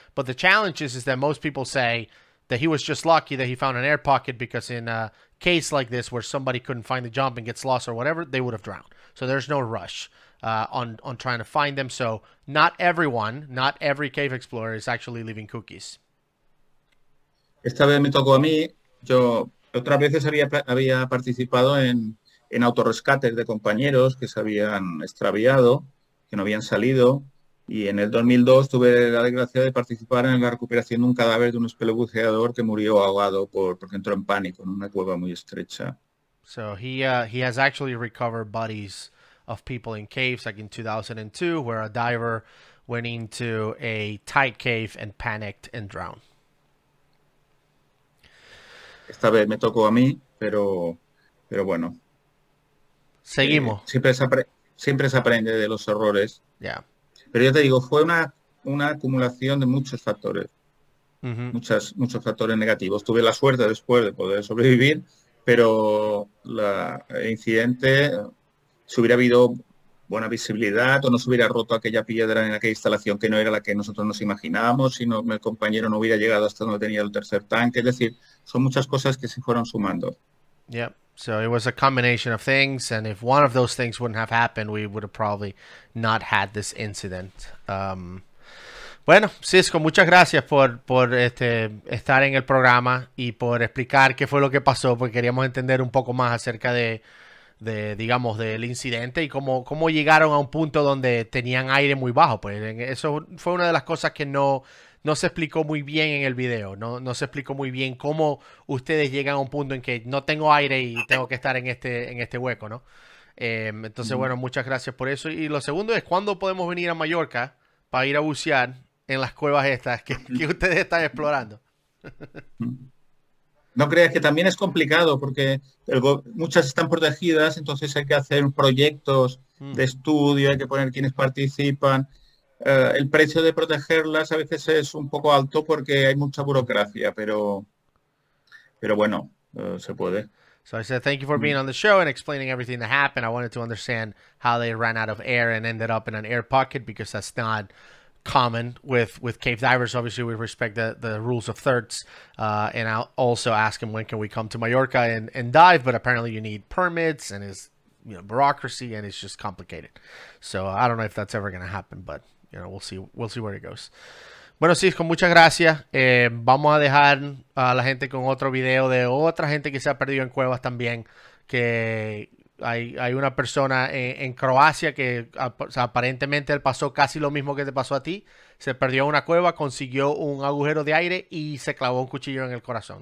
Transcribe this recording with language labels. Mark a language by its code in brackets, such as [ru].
[en] But the challenge is that most people say that he was just lucky that he found an air pocket, because in a case like this where somebody couldn't find the jump and gets lost or whatever, they would have drowned. So there's no rush on trying to find them. So not everyone, not every cave explorer is actually leaving cookies. [es] Esta vez me tocó a mí. Yo otras veces había participado en autorrescates de compañeros que se habían extraviado, que no habían salido. Y en el 2002 tuve la desgracia de participar en la recuperación de un cadáver de un espelebuceador que murió ahogado porque entró en pánico en una cueva muy estrecha. [en] So he has actually recovered bodies of people in caves, like in 2002, where a diver went into a tight cave and panicked and drowned. [es] Esta vez me tocó a mí, pero bueno. Seguimos. Siempre se aprende de los errores. [en] Yeah. [es] Pero ya te digo, fue una acumulación de muchos factores. Mm-hmm. Muchos factores negativos. Tuve la suerte después de poder sobrevivir, pero el incidente, si hubiera habido buena visibilidad o no se hubiera roto aquella piedra en aquella instalación que no era la que nosotros nos imaginábamos, si no, el compañero no hubiera llegado hasta donde tenía el tercer tanque. Es decir, son muchas cosas que se fueron sumando. [en] Yeah, so it was a combination of things, and if one of those things wouldn't have happened, we would have probably not had this incident. [es] Bueno, Xisco, muchas gracias por estar en el programa y por explicar qué fue lo que pasó, porque queríamos entender un poco más acerca de digamos, del incidente y cómo llegaron a un punto donde tenían aire muy bajo. Pues eso fue una de las cosas que no se explicó muy bien en el video. No se explicó muy bien cómo ustedes llegan a un punto en que no tengo aire y tengo que estar en este hueco, ¿no? Entonces, bueno, muchas gracias por eso. Y lo segundo es, ¿cuándo podemos venir a Mallorca para ir a bucear en las cuevas estas que ustedes están explorando? No creas que también es complicado, porque muchas están protegidas, entonces hay que hacer proyectos de estudio, hay que poner quiénes participan. El precio de protegerlas a veces es un poco alto porque hay mucha burocracia, pero bueno, se puede. [en] So I said thank you for being on the show and explaining everything that happened. I wanted to understand how they ran out of air and ended up in an air pocket, because that's not common with cave divers. Obviously, we respect the rules of thirds, and I'll also ask him when can we come to Mallorca and dive, but apparently you need permits and it's, you know, bureaucracy, and it's just complicated. So I don't know if that's ever going to happen, but you know, we'll see where it goes. [es] Bueno, Xisco, muchas gracias. Vamos a dejar a la gente con otro video de otra gente que se ha perdido en cuevas también, que hay una persona en Croacia que aparentemente él pasó casi lo mismo que te pasó a ti. Se perdió una cueva, consiguió un agujero de aire y se clavó un cuchillo en el corazón.